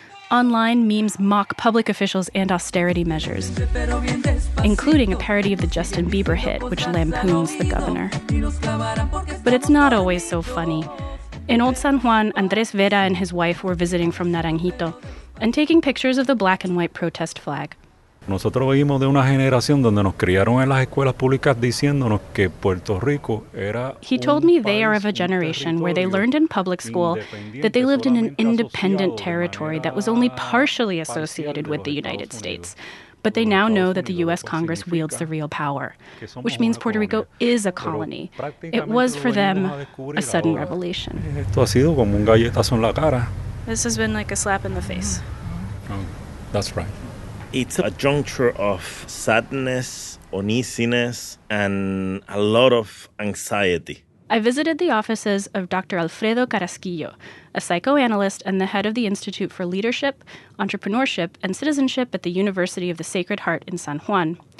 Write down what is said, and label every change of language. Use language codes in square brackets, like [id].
[en] Online, memes mock public officials and austerity measures, including a parody of the Justin Bieber hit, which lampoons the governor. But it's not always so funny. In Old San Juan, Andres Vera and his wife were visiting from Naranjito and taking pictures of the black and white protest flag. [es] Nosotros venimos de una generación donde nos criaron en las escuelas públicas diciéndonos que Puerto Rico era. [en] He told me they are of a generation where they learned in public school that they lived in an independent territory that was only partially associated with the United States. But they now know that the U.S. Congress wields the real power, which means Puerto Rico is a colony. It was for them a sudden revelation. [es] Esto ha sido como un galletazo en la cara. [en] This has been like a slap in the face. That's right. It's a juncture of sadness, uneasiness, and a lot of anxiety. I visited the offices of Dr. Alfredo Carrasquillo, a psychoanalyst and the head of the Institute for Leadership, Entrepreneurship, and Citizenship at the University of the Sacred Heart in San Juan.